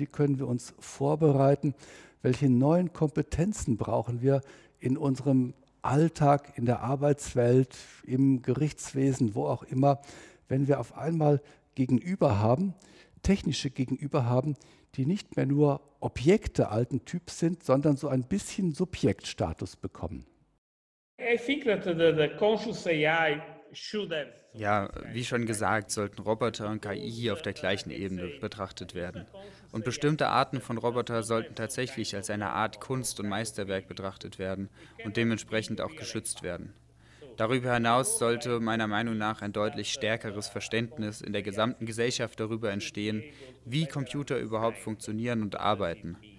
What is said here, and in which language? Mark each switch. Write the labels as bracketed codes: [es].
[de] Wie können wir uns vorbereiten? Welche neuen Kompetenzen brauchen wir in unserem Alltag, in der Arbeitswelt, im Gerichtswesen, wo auch immer, wenn wir auf einmal Gegenüber haben, technische Gegenüber haben, die nicht mehr nur Objekte alten Typs sind, sondern so ein bisschen Subjektstatus bekommen? [en] I think that the conscious AI should have. [de] Ja, wie schon gesagt, sollten Roboter und KI hier auf der gleichen Ebene betrachtet werden. Und bestimmte Arten von Roboter sollten tatsächlich als eine Art Kunst und Meisterwerk betrachtet werden und dementsprechend auch geschützt werden. Darüber hinaus sollte meiner Meinung nach ein deutlich stärkeres Verständnis in der gesamten Gesellschaft darüber entstehen, wie Computer überhaupt funktionieren und arbeiten.